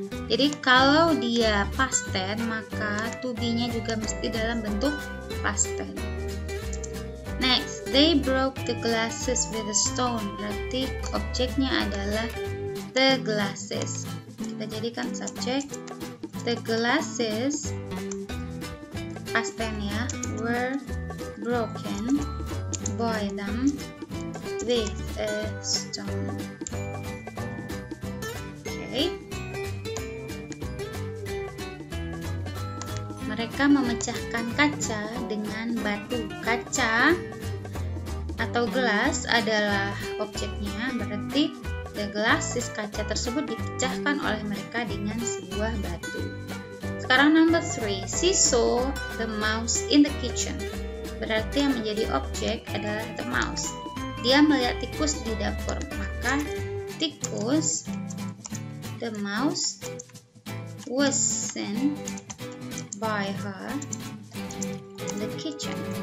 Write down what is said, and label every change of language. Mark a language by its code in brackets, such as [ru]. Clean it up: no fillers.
[id] Jadi kalau dia past tense, maka to be-nya juga mesti dalam bentuk past tense. [en] Next, they broke the glasses with a stone. [id] Berarti objeknya adalah [en] the glasses. [id] Kita jadikan subjek [en] the glasses, past tense ya, were broken by them with a stone. Okay. [id] Mereka memecahkan kaca dengan batu. Kaca atau gelas adalah objeknya, berarti [en] the glasses, [id] kaca tersebut dipecahkan oleh mereka dengan sebuah batu. Sekarang [en] number 3, she saw the mouse in the kitchen. [id] Berarti yang menjadi objek adalah [en] the mouse. [id] Dia melihat tikus di dapur, maka tikus, [en] the mouse, was seen by her in the kitchen.